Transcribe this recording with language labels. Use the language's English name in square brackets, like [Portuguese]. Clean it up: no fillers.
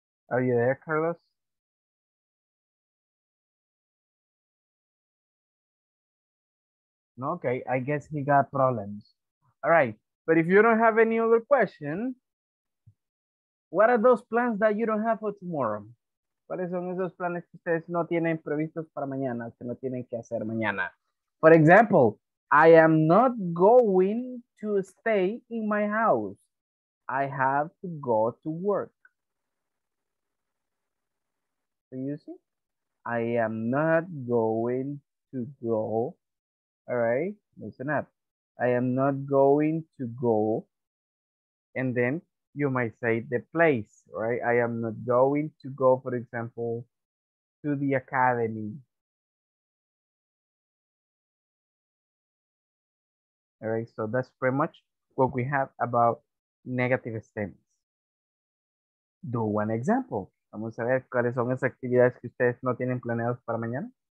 [English] Are you there, Carlos? Okay, I guess he got problems. All right, but if you don't have any other question, what are those plans that you don't have for tomorrow? [Spanish] ¿Cuáles son esos planes que ustedes no tienen previstos para mañana, que no tienen que hacer mañana? [English] For example, I am not going to stay in my house. I have to go to work. Do you see? I am not going to go. All right, listen up. I am not going to go. And then you might say the place, right? I am not going to go, for example, to the academy. All right, so that's pretty much what we have about negative statements. Do one example. [Spanish] Vamos a ver cuáles son esas actividades que ustedes no tienen planeados para mañana.